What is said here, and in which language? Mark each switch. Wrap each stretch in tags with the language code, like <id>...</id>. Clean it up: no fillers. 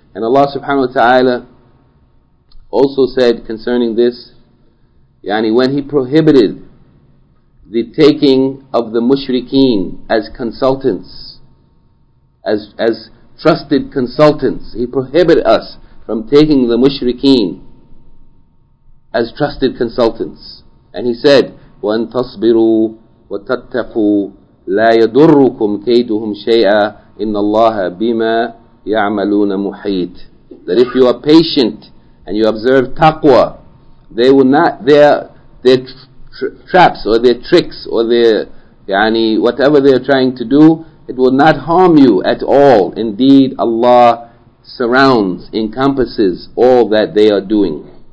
<en>And Allah subhanahu wa ta'ala also said concerning this, yani when He prohibited the taking of the mushrikeen as consultants, as trusted consultants, He prohibited us from taking the mushrikeen as trusted consultants. And He said,</en> <ar>وَأَن تَصْبِرُوا وَتَتَّقُوا لَا يَضُرُّكُمْ كَيْدُهُمْ شَيْئًا إِنَّ اللَّهَ بِمَا يَعْمَلُونَ مُحِيطٌ.</ar> <en>That if you are patient and you observe taqwa, they will not, their traps or their tricks or their, yani, whatever they are trying to do, it will not harm you at all. Indeed, Allah surrounds, encompasses all that they are doing.</en>